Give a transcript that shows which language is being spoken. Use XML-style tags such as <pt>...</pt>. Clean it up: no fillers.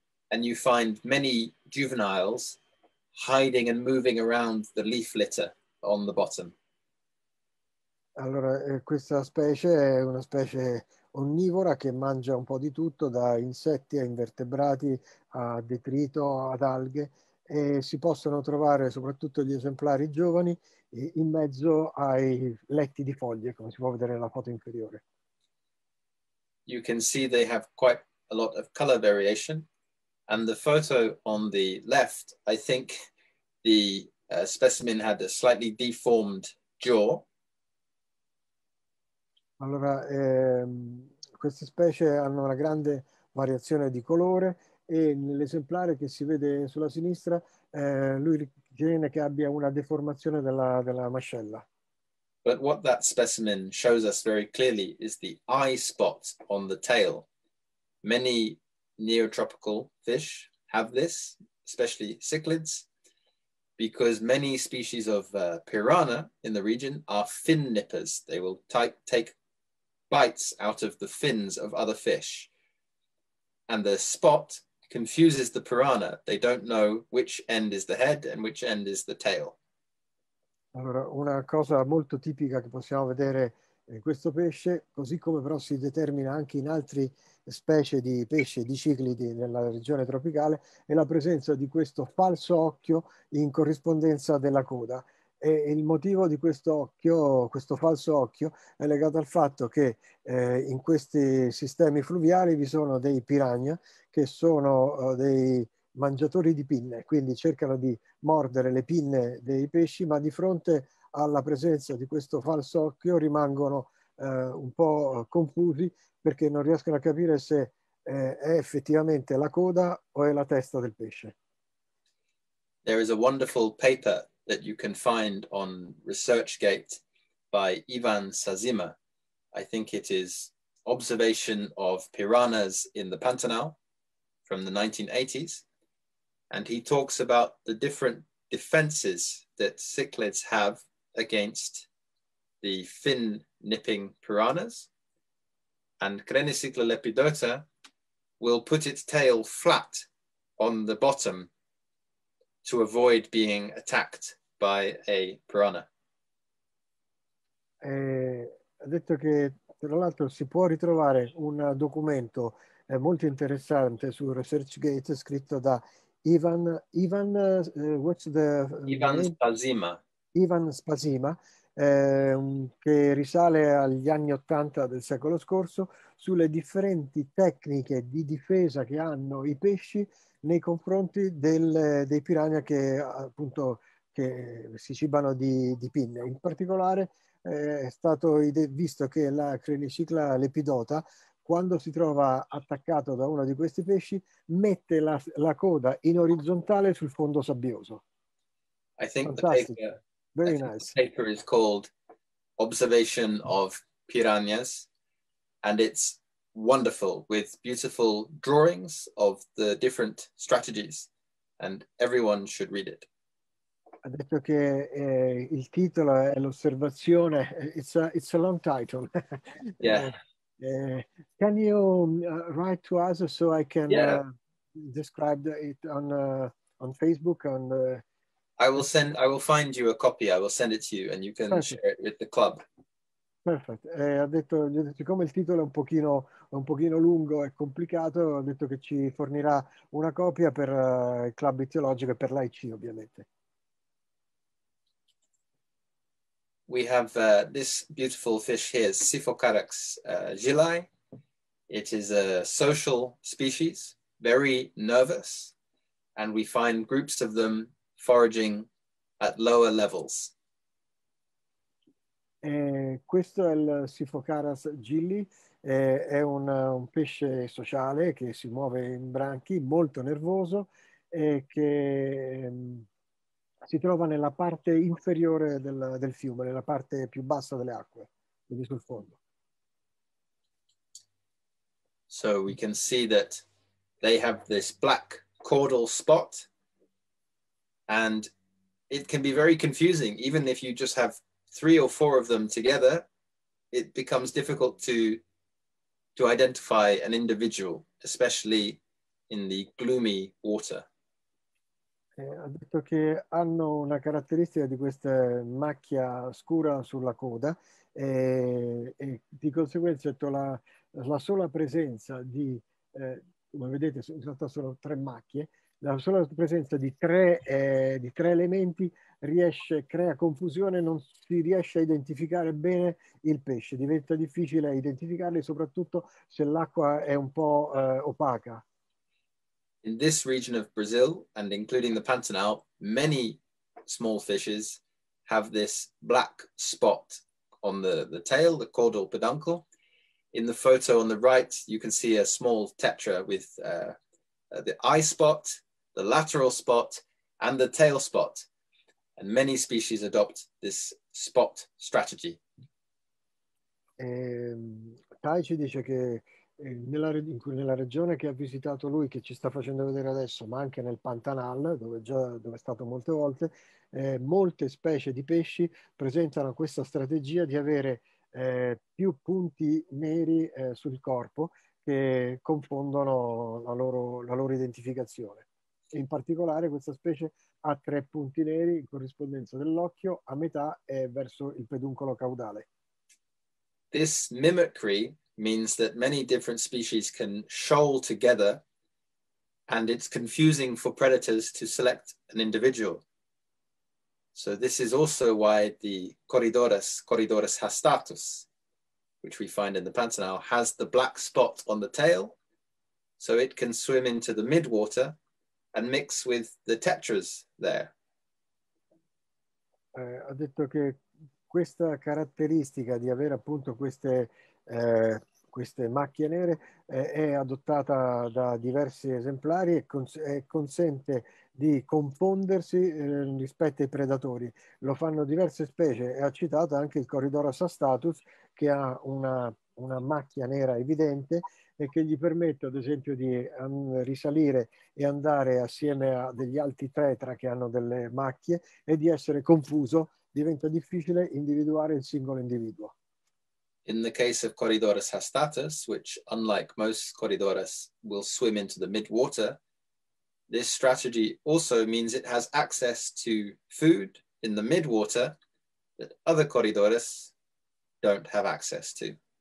<en>And you find many juveniles hiding and moving around the leaf litter on the bottom.</en> <it>Allora, questa specie è una specie onnivora che mangia un po' di tutto, da insetti a invertebrati, a detrito, ad alghe, e si possono trovare soprattutto gli esemplari giovani in mezzo ai letti di foglie, come si può vedere nella foto inferiore.</it> <en>You can see they have quite a lot of color variation, and the photo on the left, I think the specimen had a slightly deformed jaw.</en> <it>Allora, queste specie hanno una grande variazione di colore e nell'esemplare che si vede sulla sinistra, lui ritiene che abbia una deformazione della mascella.</it> <en>But what that specimen shows us very clearly is the eye spot on the tail. Many neotropical fish have this, especially cichlids, because many species of piranha in the region are fin nippers. They will take bites out of the fins of other fish. And the spot confuses the piranha. They don't know which end is the head and which end is the tail.</en> <it>Allora, una cosa molto tipica che possiamo vedere in questo pesce, così come però si determina anche in altre specie di pesce di ciclidi nella regione tropicale, è la presenza di questo falso occhio in corrispondenza della coda. E il motivo di questo occhio, questo falso occhio, è legato al fatto che in questi sistemi fluviali vi sono dei piranha che sono dei mangiatori di pinne, quindi cercano di mordere le pinne dei pesci, ma di fronte alla presenza di questo falso occhio rimangono un po' confusi perché non riescono a capire se è effettivamente la coda o è la testa del pesce.</it> <en>There is a wonderful paper that you can find on ResearchGate by Ivan Sazima. I think it is Observation of Piranhas in the Pantanal from the 1980s. And he talks about the different defenses that cichlids have against the fin-nipping piranhas. And Crenicicla lepidota will put its tail flat on the bottom to avoid being attacked by a piranha.</en> <it>Ha detto che, tra l'altro, si può ritrovare un documento molto interessante su ResearchGate scritto da Ivan Spazima, che risale agli anni Ottanta del secolo scorso, sulle differenti tecniche di difesa che hanno i pesci nei confronti dei piranha che appunto che si cibano di pinne. In particolare è stato visto che la Crenicicla lepidota, quando si trova attaccato da uno di questi pesci, mette la coda in orizzontale sul fondo sabbioso.</it> <en>I think the paper is called Observation of Piranhas, and it's wonderful, with beautiful drawings of the different strategies, and everyone should read it.</en> <it>Ha detto che il titolo è l'osservazione,</it> <en>it's a long title. Yeah. Can you write to us so I can describe it on Facebook? I will find you a copy. I will send it to you, and you can share it with the club. Perfect.</en> <it>Ha detto, siccome il titolo è un pochino lungo e complicato, ha detto che ci fornirà una copia per il club ittiologico e per l'AIC, ovviamente.</it> <en>we have this beautiful fish here, Siphocarax gilli. It is a social species, very nervous, and we find groups of them foraging at lower levels.</en> <it>Questo è il Siphocarax gilli, è un pesce sociale che si muove in branchi, molto nervoso, e che si trova nella parte inferiore del fiume, nella parte più bassa delle acque, quindi sul fondo.</it> <en>So we can see that they have this black caudal spot, and it can be very confusing, even if you just have three or four of them together, it becomes difficult to identify an individual, especially in the gloomy water.</en> <it>Ha detto che hanno una caratteristica di questa macchia scura sulla coda, e di conseguenza la sola presenza di, come vedete, in realtà sono tre macchie, la sola presenza di tre elementi crea confusione, non si riesce a identificare bene il pesce, diventa difficile identificarli, soprattutto se l'acqua è un po' opaca.</it> <en>In this region of Brazil, and including the Pantanal, many small fishes have this black spot on the tail, the caudal peduncle. In the photo on the right, you can see a small tetra with the eye spot, the lateral spot, and the tail spot. And many species adopt this spot strategy.</en> <it>Tai ci dice che nella regione che ha visitato lui, che ci sta facendo vedere adesso, ma anche nel Pantanal, dove è stato molte volte, molte specie di pesci presentano questa strategia di avere più punti neri sul corpo che confondono la loro identificazione. E in particolare questa specie ha tre punti neri in corrispondenza dell'occhio a metà e verso il peduncolo caudale.</it> <en>This mimicry means that many different species can shoal together, and it's confusing for predators to select an individual. So this is also why the Corydoras hastatus, which we find in the Pantanal, has the black spot on the tail, so it can swim into the midwater and mix with the tetras there.</en> <it>Ha detto che questa caratteristica di avere appunto queste macchie nere è adottata da diversi esemplari e consente di confondersi rispetto ai predatori. Lo fanno diverse specie e ha citato anche il Corydoras hastatus, che ha una macchia nera evidente e che gli permette ad esempio di risalire e andare assieme a degli altri tetra che hanno delle macchie e di essere confuso, diventa difficile individuare il singolo individuo.</it> <en>In the case of Corydoras hastatus, which unlike most Corydoras will swim into the midwater, this strategy also means it has access to food in the midwater that other Corydoras don't have access to.</en>